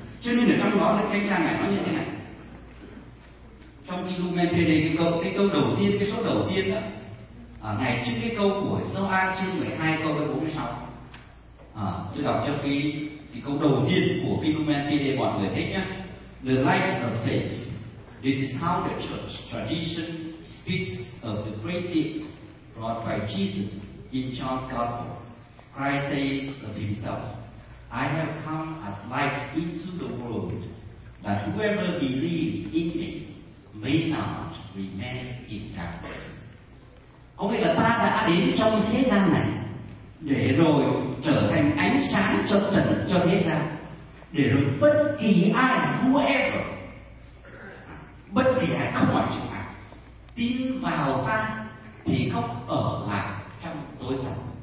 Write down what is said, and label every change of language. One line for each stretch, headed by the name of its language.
Vietnamese: Cho nên ở trong đó cái thanh trang này nói như thế này, trong Lumen Fidei cái câu đầu tiên, cái số đầu tiên đó, ngày trước cái câu của Sơ A chương 12 câu 46, tôi đọc cho cái câu đầu tiên của Lumen Fidei mọi người thích nhá.
English: The light of faith. This is how the church tradition speaks of the great gift brought by Jesus in John's gospel. Christ says of himself, I have come as light into the world, that whoever believes in me may not remain in darkness.
Vietnamese: Có nghĩa là ta đã đến trong thế gian này để rồi trở thành ánh sáng cho trần cho thế gian. Để rồi bất kỳ ai, whoever, bất kỳ ai, không phải chúng ta tin vào ta thì không ở lại trong tối tăm.